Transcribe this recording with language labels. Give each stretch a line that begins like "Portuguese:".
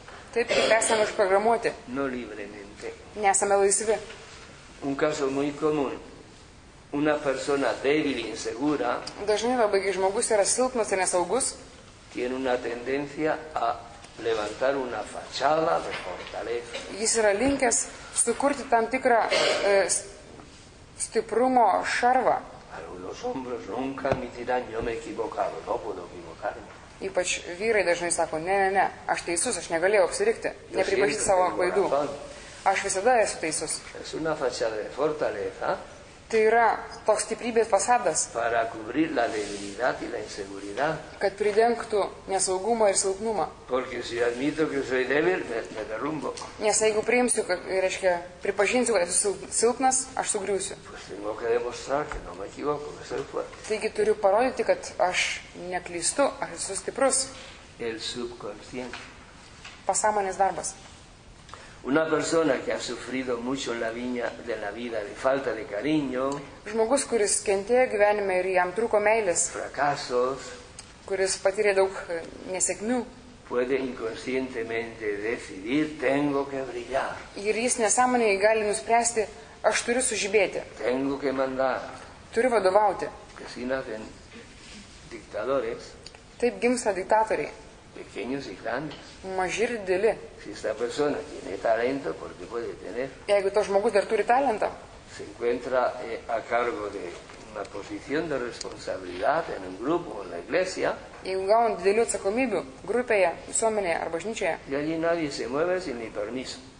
Lithuanian: Taip, kaip esame užprogramuoti.
Spanish: No libremente.
Lithuanian: Nesame laisvi.
Spanish: Un caso muy común. Una persona débil e insegura.
Lithuanian: Dažnai labai žmogus yra silpnas ir nesaugus.
Spanish: Tiene una tendencia a levantar una fachada de fortaleza.
Lithuanian: Jis yra linkęs sukurti tam tikrą stiprumo šarvą.
Spanish: Los hombres nunca admitirán, yo me he equivocado, no puedo equivocarme.
Lithuanian: Ypač vyrai dažnai sako, ne, aš teisus, aš negalėjau apsirikti, nepripažinti savo klaidų. Aš visada esu teisus.
Spanish: Es una fachada de fortaleza.
Lithuanian: Tai yra toks stiprybės fasadas.
Spanish: Para cubrir la debilidad y la inseguridad.
Lithuanian: Kad pridengtų nesaugumą ir silpnumą.
Spanish: Porque si admito que soy débil, me derrumbo.
Lithuanian: Nes jeigu priimsiu, kad, reiškia, pripažinsiu, kad esu silpnas, aš sugriūsiu.
Spanish: Pues tengo que demostrar que no me equivoco, que soy fuerte.
Lithuanian: Taigi turiu parodyti, kad aš neklystu, aš esu stiprus.
Spanish: El subconsciente.
Lithuanian: Pasąmonės darbas.
Spanish: Una persona que ha sufrido mucho en la viña de la vida de falta de cariño.
Lithuanian: Žmogus, kuris kentėjo gyvenime ir jam trūko meilės.
Spanish: Fracasos.
Lithuanian: Kuris patyrė daug nesėkmių.
Spanish: Puede inconscientemente decidir, tengo que brillar.
Lithuanian: Ir jis nesąmoningai gali nuspręsti, aš turiu sužibėti.
Spanish: Tengo que mandar.
Lithuanian: Turiu vadovauti.
Spanish: Que si nacen dictadores.
Lithuanian: Taip gimsta diktatoriai.
Spanish: Pequeños y grandes.
Lithuanian: Maži ir dideli.
Spanish: Si esta persona tiene talento, porque puede tener.
Lithuanian: Jeigu to žmogus dar turi talentą.
Spanish: Se encuentra a cargo de una posición de responsabilidad en un grupo o en la iglesia.
Lithuanian: Grupėje, visuomenėje ar bažnyčioje.
Spanish: Y allí nadie se mueve sin mi permiso.